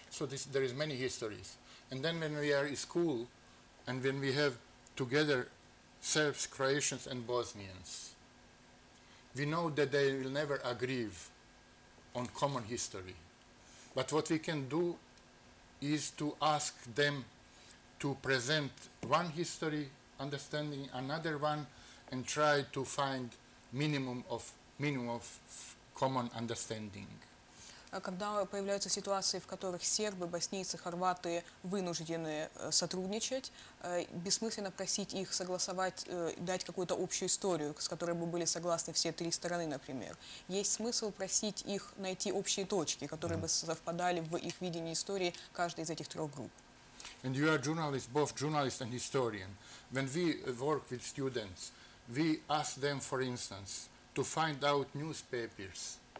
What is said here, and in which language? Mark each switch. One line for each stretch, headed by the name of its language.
English: So this, there is many histories. And then when we are in school, and when we have together Serbs, Croatians and Bosnians, we know that they will never agree on common history. But what we can do is to ask them to present one history, understanding another one, and try to find minimum of common understanding.
Russian: Когда появляются ситуации, в которых сербы, боснийцы, хорваты вынуждены сотрудничать, бессмысленно просить их согласовать, дать какую-то общую историю, с которой бы были согласны все три стороны, например. Есть смысл просить их найти общие точки, которые бы совпадали в их видении истории каждой из этих трех групп.
English: And you are journalist, both journalist and historian. When we work with students, we ask them, for instance, to find out newspapers.